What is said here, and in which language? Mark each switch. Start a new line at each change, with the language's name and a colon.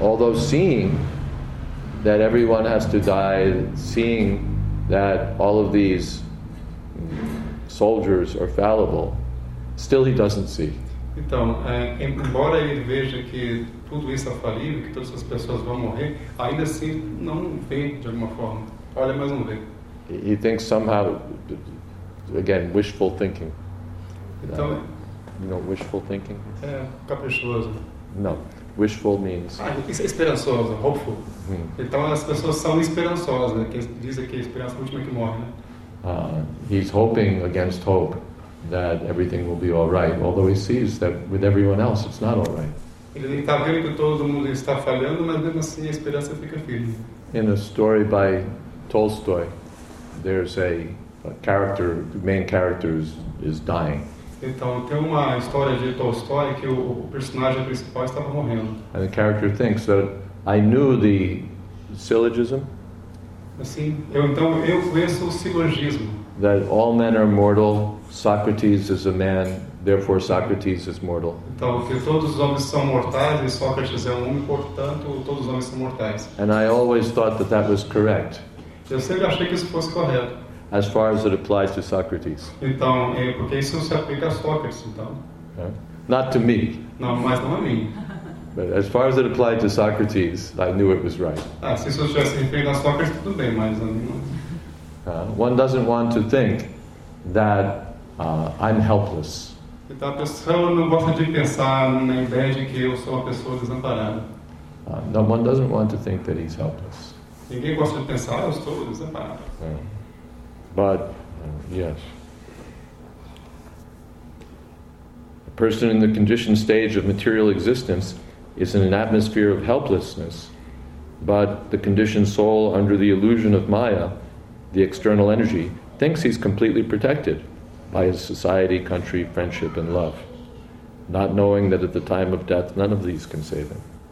English: Although seeing that everyone has to die, seeing that all of these soldiers are fallible, still he doesn't see.
Portuguese: Então, embora ele veja que tudo isso é falível, que todas as pessoas vão morrer, ainda assim não vê de alguma forma. Olha, mas não vê.
English: He thinks somehow, again, wishful thinking.
Portuguese: Então,
English: you know, wishful thinking?
Portuguese: É, caprichoso.
English: No. Wishful means.
Portuguese: Isso é esperançoso, hopeful. Então as pessoas são esperançosas, né? Que dizem que a esperança é a última que morre, né?
English: He's hoping against hope that everything will be all right, although he sees that with everyone else it's not all right.
Portuguese: Ele está vendo que todo mundo está falhando, mas mesmo assim a esperança fica firme.
English: In a story by Tolstoy, there's a character, the main character is dying.
Portuguese: Então, tem uma história de Tolstói que o personagem principal estava morrendo.
English: And the character thinks that I knew the syllogism. That all men are mortal, Socrates is a man, therefore Socrates is mortal.
Portuguese: Então, que todos os homens são mortais e Sócrates é homem, portanto todos os homens são mortais.
English: And I always thought that that was correct.
Portuguese: Eu sempre achei que isso fosse correto.
English: As far as it applies to Socrates.
Portuguese: Então, porque isso se aplica a Sócrates, então.
English: Not to me.
Portuguese: Não, mas não a mim.
English: But as far as it applied to Socrates, I knew it was right.
Portuguese: Ah, se isso tivesse referido a Sócrates, tudo bem, mas a mim não.
English: One doesn't want to think that I'm helpless.
Portuguese: Então, a pessoa não gosta de pensar na ideia de que eu sou uma pessoa desamparada.
English: No, one doesn't want to think that he's helpless.
Portuguese: Ninguém gosta de pensar, eu estou desamparado.
English: But, yes. A person in the conditioned stage of material existence is in an atmosphere of helplessness, but the conditioned soul under the illusion of Maya, the external energy, thinks he's completely protected by his society, country, friendship, and love, not knowing that at the time of death, none of these can save him.